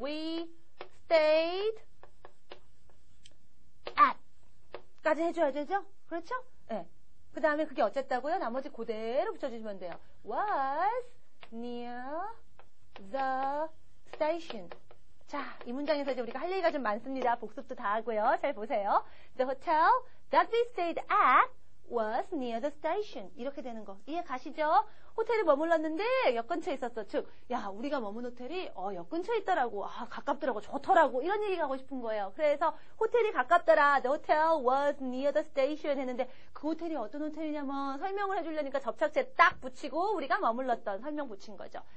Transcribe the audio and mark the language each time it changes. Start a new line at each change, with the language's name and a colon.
English: We stayed at.
Korean: 까지 해줘야 되죠? 그렇죠? 예. 네. 그 다음에 그게 어쨌다고요? 나머지 그대로 붙여주시면 돼요.
English: Was near the station.
Korean: 자, 이 문장에서 이제 우리가 할 얘기가 좀 많습니다. 복습도 다 하고요. 잘 보세요.
English: The hotel that we stayed at was near the station.
Korean: 이렇게 되는 거 이해 가시죠? 호텔에 머물렀는데 옆 근처에 있었어. 즉, 야, 우리가 머문 호텔이 옆 근처에 있더라고. 아, 가깝더라고. 좋더라고. 이런 얘기 가고 싶은 거예요. 그래서 호텔이 가깝더라.
English: The hotel was near the station
Korean: 했는데 그 호텔이 어떤 호텔이냐면 설명을 해주려니까 접착제 딱 붙이고 우리가 머물렀던 설명 붙인 거죠.